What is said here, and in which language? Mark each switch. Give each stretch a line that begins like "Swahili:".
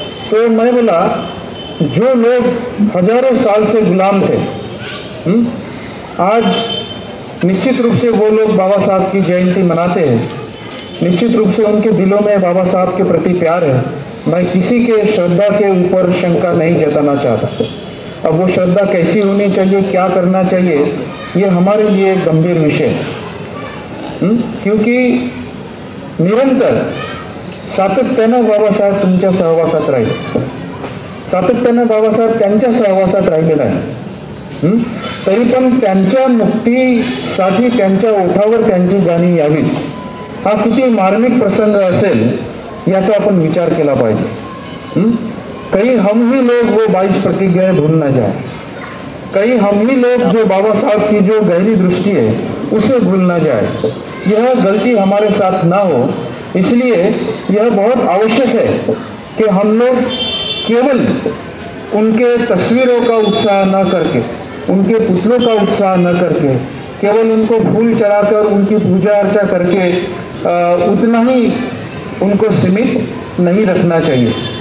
Hindi: तो मैं बोला, जो लोग हजारों साल से गुलाम थे, आज निश्चित रूप से वो लोग बाबा साहब की जयंती मनाते हैं, निश्चित रूप से उनके दिलों में बाबा साहब के प्रति प्यार है। मैं किसी के श्रद्धा के ऊपर शंका नहीं जताना चाहता। अब वो श्रद्धा कैसी होनी चाहिए, क्या करना चाहिए, ये हमारे लिए एक गंभीर विषय है।
Marathi: क्योंकि निरंतर सातत्यानं बाबा साहब तुमच्या सहवासात राहील, सातत्यानं बाबा साहब त्यांच्या सहवासात राहिलेला आहे, तरी पण त्यांच्या मुक्तीसाठी त्यांच्या ओठावर त्यांची जाणीव यावी, हा किती मार्मिक प्रसंग असेल याचा आपण विचार केला पाहिजे।
Hindi: कहीं हम ही लोग वो 22 प्रतिज्ञाएं भूल ना जाए, कहीं हम ही लोग जो बाबा साहब की जो गहरी दृष्टि है उसे भूल ना जाए, यह गलती हमारे साथ ना हो। इसलिए यह बहुत आवश्यक है कि हम लोग केवल उनके तस्वीरों का उत्साह न करके, उनके पुतलों का उत्साह न करके, केवल उनको फूल चढ़ाकर उनकी पूजा अर्चा करके उतना ही उनको सीमित नहीं रखना चाहिए।